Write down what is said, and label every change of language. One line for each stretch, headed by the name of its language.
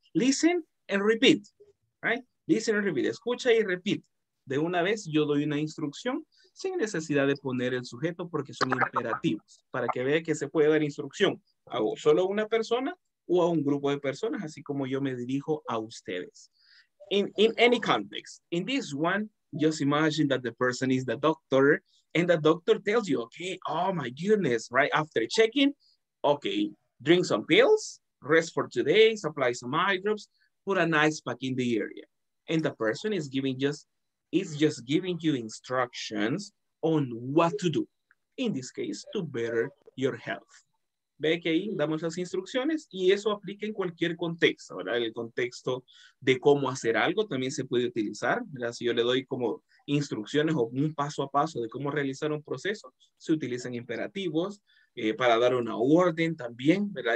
English: Listen and repeat, right? Listen and repeat,
Spanish: escucha y
English: repeat.
Spanish: De una vez yo doy una instrucción sin necesidad de poner el sujeto porque son imperativos, para que vea que se puede dar instrucción a solo una persona o a un grupo de personas, así como yo me dirijo a ustedes.
English: In any context, in this one, just imagine that the person is the doctor and the doctor tells you, okay, oh my goodness, right? After checking, okay, drink some pills, rest for today, supply some eye drops, put an ice pack in the area. And the person is giving giving you instructions on what to do. In this case, to better your health.
Spanish: Ve que ahí damos las instrucciones y eso aplica en cualquier contexto, ¿verdad? El contexto de cómo hacer algo también se puede utilizar, ¿verdad? Si yo le doy como instrucciones o un paso a paso de cómo realizar un proceso, se utilizan imperativos para dar una orden también, ¿verdad?